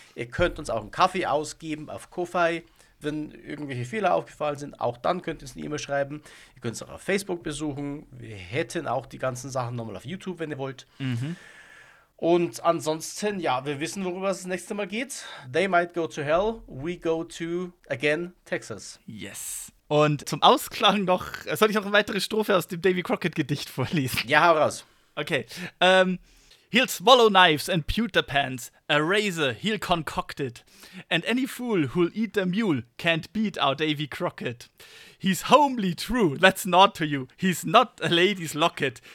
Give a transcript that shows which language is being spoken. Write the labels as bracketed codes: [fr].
[de] Ihr könnt uns auch einen Kaffee ausgeben auf Ko-Fi. Wenn irgendwelche Fehler aufgefallen sind, auch dann könnt ihr uns eine E-Mail schreiben. Ihr könnt uns auch auf Facebook besuchen. Wir hätten auch die ganzen Sachen nochmal auf YouTube, wenn ihr wollt. Mhm. Und ansonsten, ja, wir wissen, worüber es das nächste Mal geht. [en] They might go to hell, we go to, again, Texas. Yes. [de] Und zum Ausklang noch, soll ich noch eine weitere Strophe aus dem Davy Crockett-Gedicht vorlesen? Ja, hau raus. [en] Okay. He'll swallow knives and pewter pans, a razor he'll concoct it. And any fool who'll eat a mule can't beat our Davy Crockett. He's homely true, that's not to you, he's not a lady's locket.